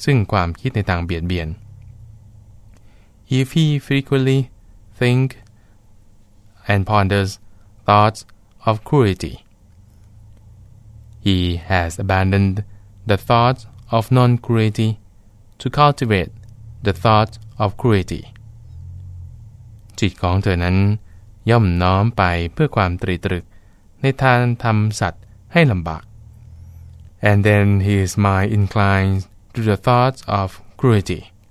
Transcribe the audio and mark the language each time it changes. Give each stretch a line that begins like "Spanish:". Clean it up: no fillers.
Thai: กระทำแล้วอย่างมากซึ่งความคิดในทางเบียดเบียน
English: If he frequently think and ponders thoughts of cruelty, he has abandoned the thought of non-cruelty to cultivate the thought of cruelty.
Thai: จิตของเธอนั้นย่อมน้อมไปเพื่อความตรีตรึกในทางทำสัตว์ให้ลำบาก
English: And then his mind inclines to the thought of cruelty.